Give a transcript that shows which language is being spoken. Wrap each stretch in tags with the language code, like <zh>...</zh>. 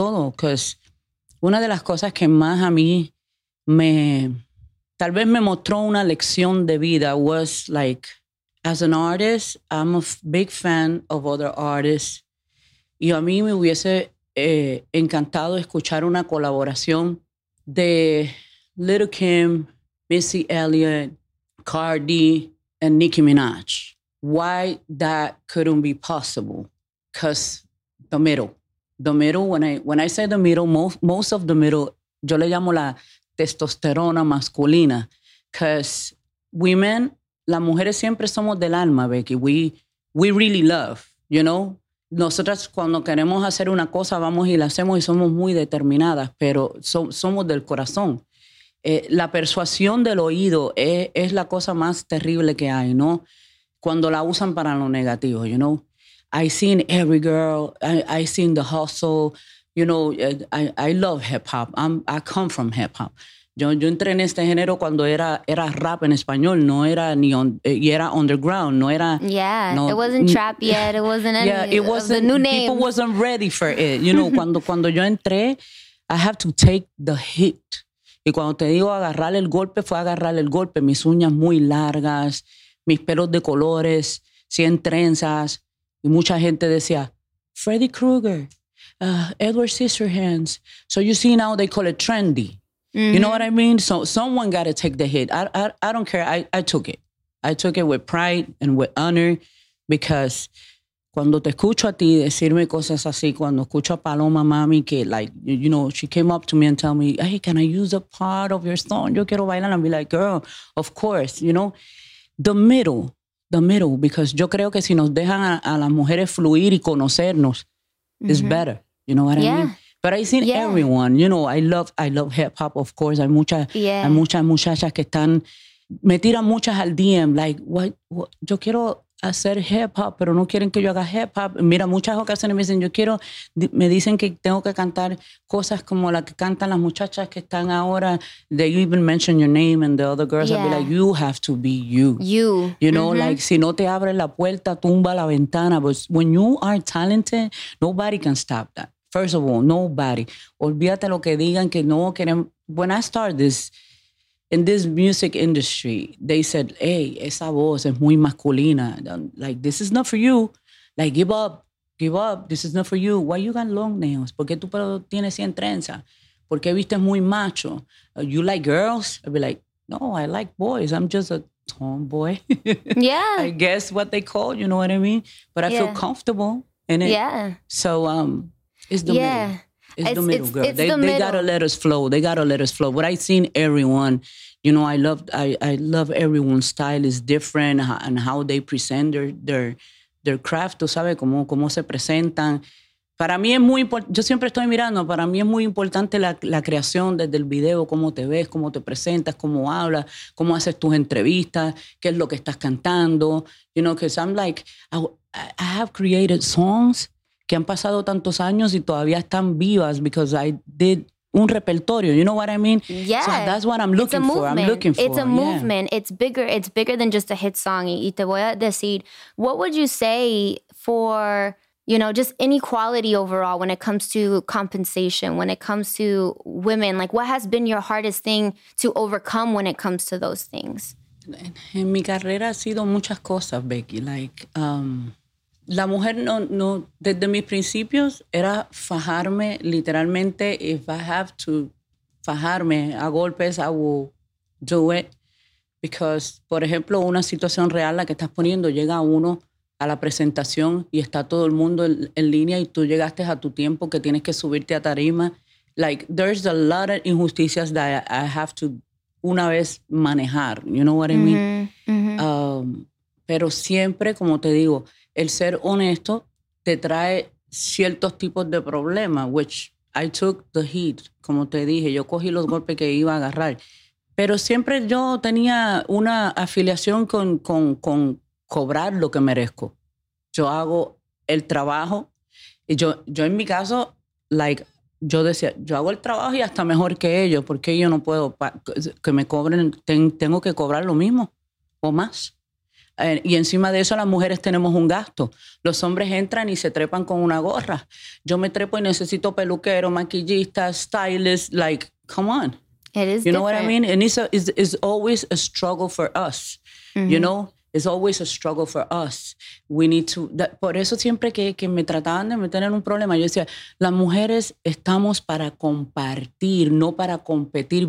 <es>Porque una de las cosas que más a mí me, tal vez me mostró una lección de vida</es> <en>was like, as an artist, I'm a big fan of other artists.</en> <es>Y a mí me hubiese encantado escuchar una colaboración de Little Kim, Missy Elliott, Cardi, and Nicki Minaj.</es> <en>Why that couldn't be possible? Because the middle, when I say the middle, most of the middle,</en> <es>yo le llamo la testosterona masculina.</es> <en>Because women</en> <es>las mujeres siempre somos del alma, Becky.</es> <en>We really love, you know.</en> <es>Nosotras cuando queremos hacer una cosa, vamos y la hacemos y somos muy determinadas, pero somos del corazón. La persuasión del oído es la cosa más terrible que hay, ¿no? Cuando la usan para lo negativo,</es> <en>you know. I seen every girl, I seen the hustle, you know, I love hip hop. I come from hip hop.</en> <es>Yo entré en este género cuando era rap en español, no era ni on, y era underground, no era.</es> <en>Yeah, no, it wasn't trap yet, it wasn't any. Yeah, it wasn't, the new name. People wasn't ready for it. You know,</en> <es>cuando yo entré,</es> <en>I have to take the hit.</en> <es>Y cuando te digo agarrar el golpe, fue agarrar el golpe. Mis uñas muy largas, mis pelos de colores, 100 trenzas. Y mucha gente decía, Freddy Krueger, Edward Scissorhands.</es> <en>So you see now they call it trendy. Mm-hmm. You know what I mean? So someone got to take the hit. I don't care. I took it. I took it with pride and with honor because</en> <es>cuando te escucho a ti decirme cosas así, cuando escucho a Paloma Mami, que</es> <en>like, you know, she came up to me and tell me, hey, can I use a part of your song?</en> <es>Yo quiero bailar.</es> <en>I'm be like, girl, of course. You know, the middle, because</en> <es>yo creo que si nos dejan a las mujeres fluir y conocernos,</es> <en>mm-hmm. it's better. You know what yeah. I mean? But I've seen yeah. everyone, you know, I love hip hop, of course.</en> <es>Hay muchas,</es> <en>yeah.</en> <es>hay muchas muchachas que están, me tiran muchas al DM,</es> <en>like, what?</en> <es>Yo quiero hacer hip hop, pero no quieren que yo haga hip hop. Mira, muchas ocasiones me dicen, me dicen que tengo que cantar cosas como la que cantan las muchachas que están ahora.</es> <en>They even mention your name and the other girls. Yeah. I'll be like, you have to be you. You. You know, mm-hmm. like,</en> <es>si no te abres la puerta, tumba la ventana.</es> <en>But when you are talented, nobody can stop that. First of all, nobody.</en> <es>Olvídate lo que digan que no quieren.</es> <en>When I started this, in this music industry, they said, hey,</en> <es>esa voz es muy masculina.</es> <en>Like, this is not for you. Like, give up. This is not for you. Why you got long nails?</en> <es>¿Por qué tu pelo tiene 100 trenzas? ¿Por qué viste muy macho?</es> <en>You like girls? I'd be like, no, I like boys. I'm just a tomboy. Yeah. I guess what they call, you know what I mean? But I yeah. feel comfortable in it. Yeah. So, it's the yeah. middle. It's the middle, it's, girl. It's they the they middle. Gotta let us flow. They gotta let us flow. But I've seen everyone. You know, I love everyone's style is different and how they present their craft.</en> <es>Tú sabes cómo se presentan. Para mí es muy importante. Yo siempre estoy mirando. Para mí es muy importante la creación desde el video. Cómo te ves, cómo te presentas, cómo hablas, cómo haces tus entrevistas, qué es lo que estás cantando.</es> <en>You know, because I'm like, I have created songs</en> <es>que han pasado tantos años y todavía están vivas</es> <en>because I did</en> <es>un repertorio.</es> <en>You know what I mean? Yeah. So that's what I'm looking for. I'm looking for. It's a yeah. movement. It's bigger. It's bigger than just a hit song.</en> <es>Y te voy a decir,</es> <en>what would you say for, you know, just inequality overall when it comes to compensation, when it comes to women? Like, what has been your hardest thing to overcome when it comes to those things?</en> <es>En mi carrera ha sido muchas cosas, Becky. Like, la mujer no desde mis principios era fajarme literalmente.</es> <en>If I have to</en> <es>fajarme a golpes,</es> <en>I will do it.</en> <es>Because, por ejemplo, una situación real, la que estás poniendo, llega uno a la presentación y está todo el mundo en línea y tú llegaste a tu tiempo que tienes que subirte a tarima.</es> <en>Like, there's a lot of injusticias that I have to</en> <es>una vez manejar.</es> <en>You know what I mean? Mm-hmm.</en> <es>Pero siempre, como te digo, el ser honesto te trae ciertos tipos de problemas,</es> <en>which I took the heat,</en> <es>como te dije. Yo cogí los golpes que iba a agarrar. Pero siempre yo tenía una afiliación con cobrar lo que merezco. Yo hago el trabajo. Y yo en mi caso, like, yo decía, yo hago el trabajo y hasta mejor que ellos. ¿Por qué yo no puedo que me cobren? Tengo que cobrar lo mismo o más. Y encima de eso, las mujeres tenemos un gasto. Los hombres entran y se trepan con una gorra. Yo me trepo y necesito peluquero, maquillista, stylist.</es> <en>Like, come on. It is different. You know what I mean? And it's always a struggle for us. Mm-hmm. You know? It's always a struggle for us. We need to...</en> <es>Por eso siempre que me trataban de meter en un problema, yo decía, las mujeres estamos para compartir, no para competir.</es>